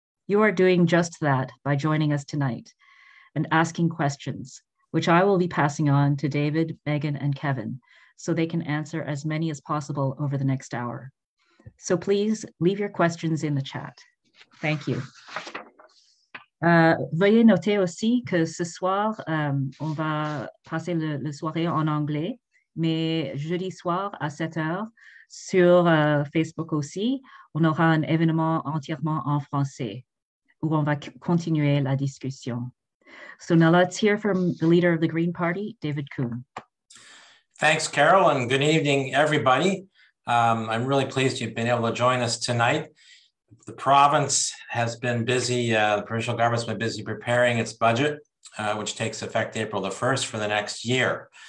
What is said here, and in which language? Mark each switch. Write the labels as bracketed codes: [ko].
[en] You are doing just that by joining us tonight and asking questions, which I will be passing on to David, Megan, and Kevin, so they can answer as many as possible over the next hour. So please leave your questions in the chat. Thank you. [fr] Veuillez noter aussi que ce soir, on va passer le soirée en anglais, mais jeudi soir à 7h, sur Facebook aussi, on aura un événement entièrement en français, où on va continuer la discussion. [en] So now let's hear from the leader of the Green Party, David Coon. Thanks, Carol, and good evening, everybody. I'm really pleased you've been able to join us tonight. The province has been busy, the provincial government's been busy preparing its budget, which takes effect April the 1st for the next year.